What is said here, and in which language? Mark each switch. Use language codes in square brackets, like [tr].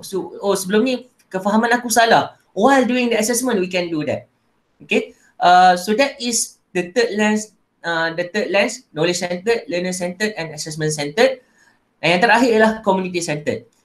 [ms] So, oh sebelum ni kefahaman aku salah. [en] While doing the assessment, we can do that. Okay, so that is the third lens, knowledge-centered, learner-centered and assessment-centered. [ms] Dan yang terakhir ialah community-centered.